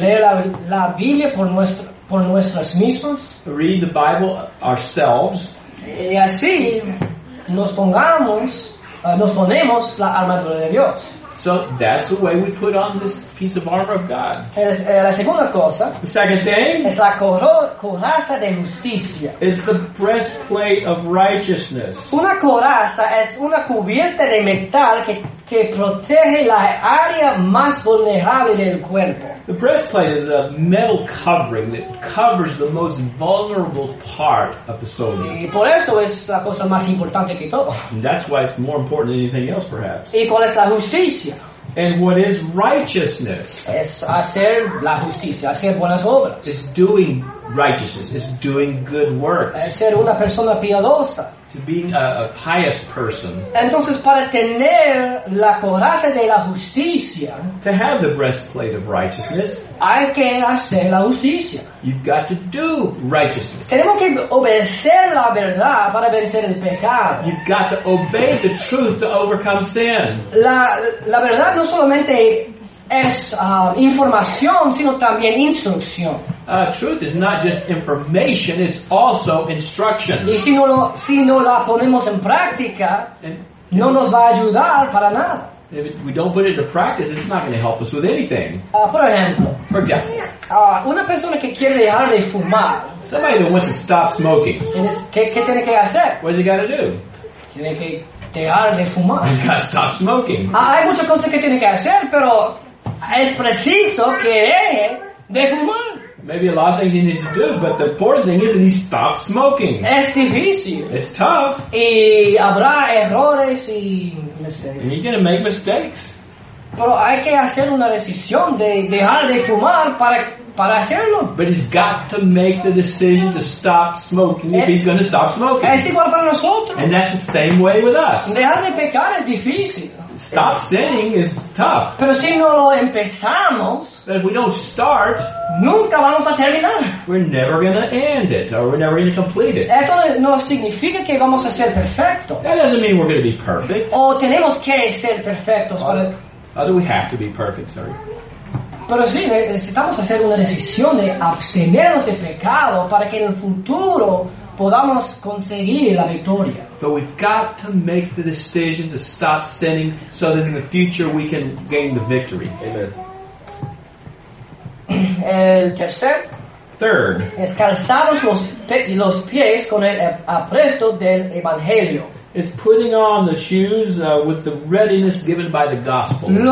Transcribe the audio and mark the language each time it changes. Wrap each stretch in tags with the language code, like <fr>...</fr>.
<es>Leer la Biblia por nuestras mismas.</es> <en>Read the Bible ourselves.</en> <es>Y así nos ponemos la armadura de Dios.</es> <en>So that's the way we put on this piece of armor of God.</en> <es>La segunda cosa,</es> <en>the second thing</en> <es>es la coraza de justicia.</es> <en>Is the breastplate of righteousness.</en> <es>Una coraza es una cubierta de metal que protege la área más vulnerable del cuerpo.</es> <en>The breastplate is a metal covering that covers the most vulnerable part of the soldier.</en> <es>Y por eso es la cosa más importante que todo.</es> <en>And that's why it's more important than anything else, perhaps.</en> <es>¿Y cuál es la justicia?</es> <en>And what is righteousness?</en> <es>Es hacer la justicia, hacer buenas obras.</es> <en>It's doing righteousness, it's doing good works.</en> <es>Es ser una persona piadosa.</es> <en>To being a pious person.</en> <es>Entonces, para tener la coraza de la justicia,</es> <en>to have the breastplate of righteousness,</en> <es>hay que hacer la justicia.</es> <en>You've got to do righteousness.</en> <es>Tenemos que obedecer la verdad para vencer el pecado.</es> <en>You've got to obey the truth to overcome sin.</en> <es>La verdad no solamente es información, sino también instrucción.</es> <en>Truth is not just information, it's also instruction.</en> <es>Y si no la ponemos en práctica, no nos va a ayudar para nada.</es> <en>If we don't put it into practice, it's not going to help us with anything. For example,</en> <es>una persona que quiere dejar de fumar.</es> <en>Somebody that wants to stop smoking.</en> <es>¿Qué tiene que hacer?</es> <en>What does he got to do?</en> <es>Tiene que dejar de fumar.</es> <en>He's got to stop smoking.</en> <es>Hay muchas cosas que tiene que hacer, pero es preciso que deje de fumar.</es> <en>Maybe a lot of things he needs to do, but the important thing is that he stops smoking.</en> <es>Es difícil.</es> <en>It's tough.</en> <es>Y habrá errores y mistakes.</es> <en>And you're going to make mistakes.</en> <es>Pero hay que hacer una decisión de dejar de fumar para hacerlo.</es> <en>But he's got to make the decision to stop smoking if he's going to stop smoking.</en> <es>Es igual para nosotros.</es> <en>And that's the same way with us.</en> <es>Dejar de pecar es difícil.</es> <en>Stop sinning is tough.</en> <es>Pero si no lo empezamos,</es> <en>but if we don't start,</en> <es>nunca vamos a terminar.</es> <en>We're never going to end it, or we're never going to complete it.</en> <es>Esto no significa que vamos a ser perfectos.</es> <en>That doesn't mean we're going to be perfect.</en> <es>O tenemos que ser perfectos.</es> <en>Or do we have to be perfect, sorry.</en> <es>Pero sí, necesitamos hacer una decisión de abstenernos de pecado para que en el futuro podamos conseguir la victoria.</es> <en>But we've got to make the decision to stop sinning so that in the future we can gain the victory. Amen.</en> <es>El tercer.</es> <en>Third.</en> <es>Es calzados los pies con el apresto del Evangelio.</es> <en>It's putting on the shoes with the readiness given by the gospel.</en>